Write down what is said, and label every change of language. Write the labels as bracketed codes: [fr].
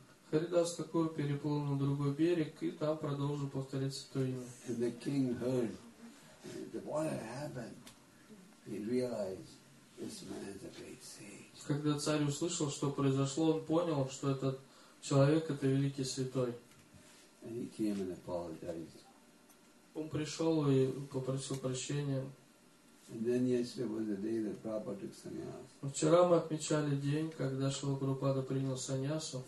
[ru] Харидас Такур переплыл на другой берег и там продолжил повторять святое имя. [en] And the king heard what had happened. He realized this man is a great sage. [ru] Когда царь услышал, что произошло, он понял, что этот человек это великий святой. [en] And he came and apologized. [ru] Он пришел и попросил прощения. [en] And then yesterday was the day that Prabhupada took sannyas. [ru] Вчера мы отмечали день, когда Шрила Прабхупада принял саньясу.